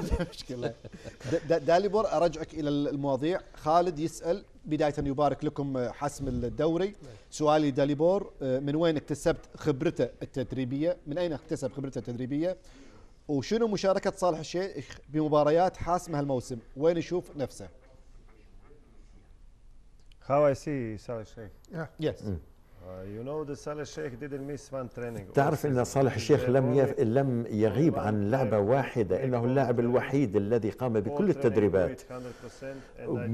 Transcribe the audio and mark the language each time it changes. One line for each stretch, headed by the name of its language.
Arabic: مشكله داليبور ارجعك الى المواضيع خالد يسال بدايه يبارك لكم حسم الدوري سؤالي داليبور من وين اكتسبت خبرته التدريبيه من اين اكتسب خبرته التدريبيه وشنو مشاركة صالح الشيخ بمباريات حاسمة هالموسم؟ وين يشوف نفسه؟
English: How I see صالح الشيخ؟ Yes. You know the صالح الشيخ didn't miss one training.
Arabic: تعرف إن صالح الشيخ لم يغيب عن لعبة واحدة. إنه اللاعب الوحيد الذي قام بكل التدريبات 100%.